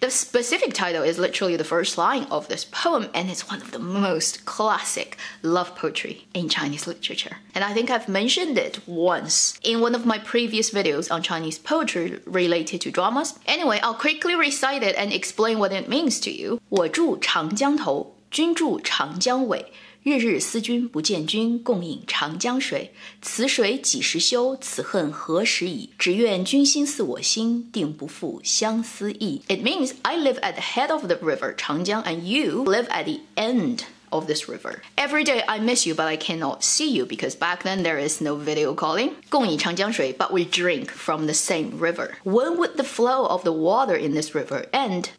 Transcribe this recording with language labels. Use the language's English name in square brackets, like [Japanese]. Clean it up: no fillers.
[English] The specific title is literally the first line of this poem, and it's one of the most classic love poetry in Chinese literature. And I think I've mentioned it once in one of my previous videos on Chinese poetry related to dramas. Anyway, I'll quickly recite it and explain what it means to you. [Chinese] 我住长江头，君住长江尾。日日思君不见君，共饮长江水。此水几时休？此恨何时已？只愿君心似我心，定不负相思意。 [English] It means I live at the head of the river Changjiang, and you live at the end of this river. Every day I miss you, but I cannot see you because back then there is no video calling. [Chinese] 共饮长江水, [English] but we drink from the same river. When would the flow of the water in this river end?